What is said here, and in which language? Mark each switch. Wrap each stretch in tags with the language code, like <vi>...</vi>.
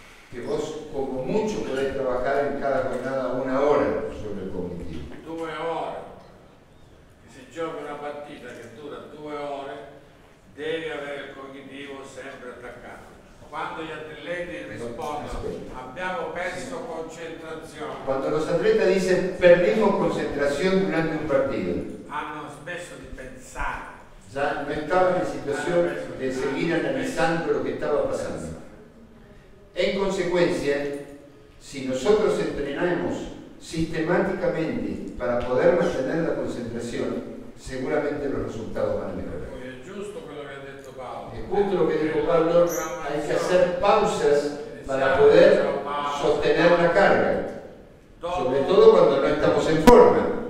<es>Que vos, como mucho, podés trabajar en cada jornada una hora sobre el cognitivo. 2 horas.</es> <it>Que si gioca una partita che dura 2 ore, deve avere il cognitivo sempre attaccato. Quando gli atleti rispondono, abbiamo perso concentrazione. Quando lo atleta dice,</it> <es>perdimos concentración</es> <it>durante un partito. Hanno smesso di pensare. Già non stava in situazione di seguire analizzando quello che stava passando.</it> <es>En consecuencia, si nosotros entrenamos sistemáticamente para poder mantener la concentración, seguramente los resultados van a mejorar. Es justo lo que ha dicho Pablo. Es justo lo que dijo Pablo, hay que hacer pausas para poder sostener la carga, sobre todo cuando no estamos en forma.</es>